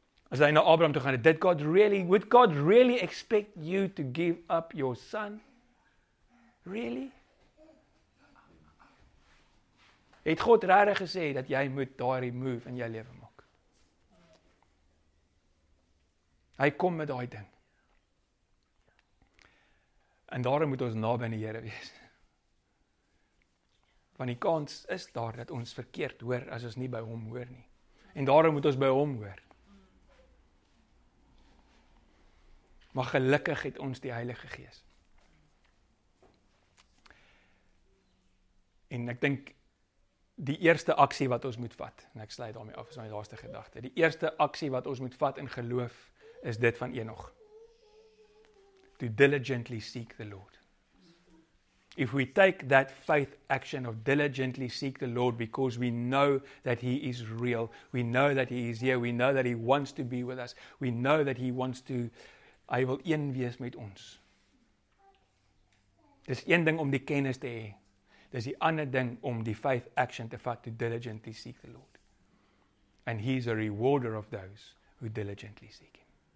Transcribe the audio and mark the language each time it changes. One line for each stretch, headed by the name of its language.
Afrikaans: As hy na Abraham toe gaan,
English: did God really, would God really expect you to give up your son? Really?
Afrikaans: Het God regtig gesê dat jy moet daai move in jou lewe maak? Hy kom met daai ding. En daarom moet ons naby die Here wees. Want die kans is daar dat ons verkeerd hoor as ons nie by hom hoor nie. En daarom moet ons by hom hoor. Maar gelukkig het ons die Heilige Gees. En ek dink die eerste aksie wat ons moet vat, en ek sluit daarmee af, is my laaste gedagte. Die eerste aksie wat ons moet vat in geloof is dit van Enoch.
English: To diligently seek the Lord. If we take that faith action of diligently seek the Lord because we know that He is real, we know that He is here, we know that He wants to be with us, we know that He wants to
Afrikaans: Hy wil een wees met ons. Dis een ding om die kennis te hê. Dis die ander ding om die
English: faith action
Afrikaans: te vat
English: to diligently seek the Lord. And He is a rewarder of those who diligently seek Him.